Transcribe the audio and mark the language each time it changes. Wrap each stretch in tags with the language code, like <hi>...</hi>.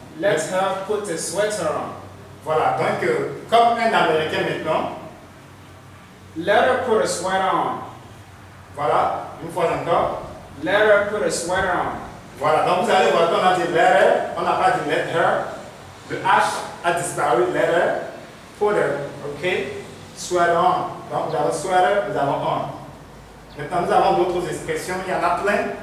<en>Let her put a sweater on.</en> <fr>Voilà, donc comme un Américain maintenant.</fr> <en>Let her put a sweater on.</en> <fr>Voilà, une fois encore.</fr> <en>Let her put a sweater on.</en> <fr>Voilà, donc vous allez voir qu'on a dit</fr> <en>let her,</en> <fr>on n'a pas dit let her. Le H a disparu,</fr> <en>let her put her,</en> <fr>ok?</fr> <en>Sweater on.</en> <fr>Donc nous avons sweater, nous avons on. Maintenant nous avons d'autres expressions, il y en a plein.</fr>